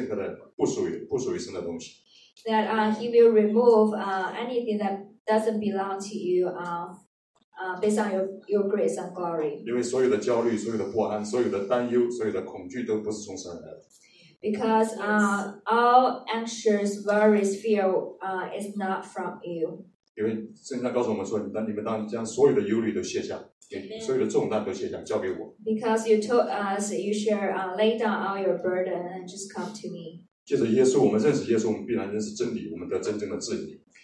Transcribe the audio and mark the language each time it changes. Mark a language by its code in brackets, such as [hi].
[zh] 让他来更多的借着认识你来除去了心里的任何的不属于神的东西。 [en] That he will remove anything that doesn't belong to you based on your grace and glory. [zh] 因为所有的焦虑、所有的不安、所有的担忧、所有的恐惧都不是从神来的。 [en] Because all anxious, worries, fear is not from you. [zh] 因为圣经告诉我们说，当你们当将所有的忧虑都卸下，所有的重担都卸下，交给我。 [en] Because you told us, you share, lay down all your burden and just come to me. [zh] 借着耶稣，我们认识耶稣，我们必然认识真理，我们得真正的自由。